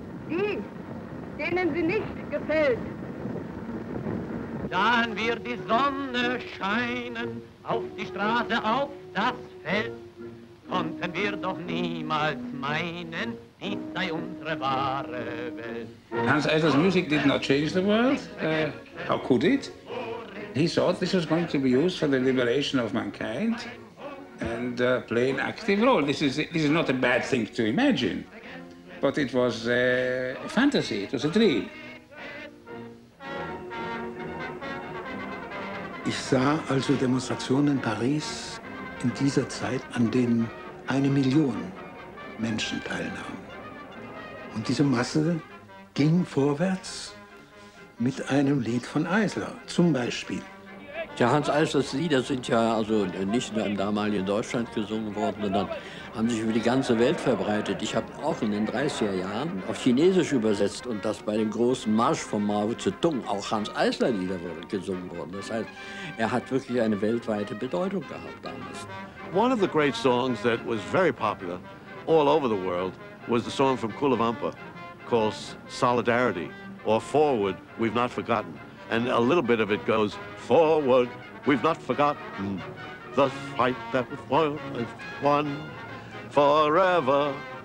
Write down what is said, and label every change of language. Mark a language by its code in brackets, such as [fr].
[de] Die, denen sie nicht gefällt. Dann wird die Sonne scheinen auf die Straße, auf das Feld. Konnten wir doch niemals meinen, dies sei unsere wahre Welt. [en] Hans Eisler's music did not change the world. How could it? He thought this was going to be used for the liberation of mankind and play an active role. This is not a bad thing to imagine, but it was a fantasy, it was a dream. [de] Ich sah also Demonstrationen in Paris in dieser Zeit, an denen 1 Million Menschen teilnahmen. Und diese Masse ging vorwärts mit einem Lied von Eisler, zum Beispiel. Ja, Hans Eislers Lieder sind ja also nicht nur im damaligen Deutschland gesungen worden, sondern haben sich über die ganze Welt verbreitet. Ich habe auch in den 30er Jahren auf Chinesisch übersetzt und dass bei dem großen Marsch von Mao Zedong auch Hans Eisler Lieder gesungen worden. Das heißt, er hat wirklich eine weltweite Bedeutung gehabt damals. [en] One of the great songs that was very popular all over the world was the song from Kulavampa called Solidarity or Forward, We've Not Forgotten. And a little bit of it goes, forward, we've not forgotten the fight that we've won forever.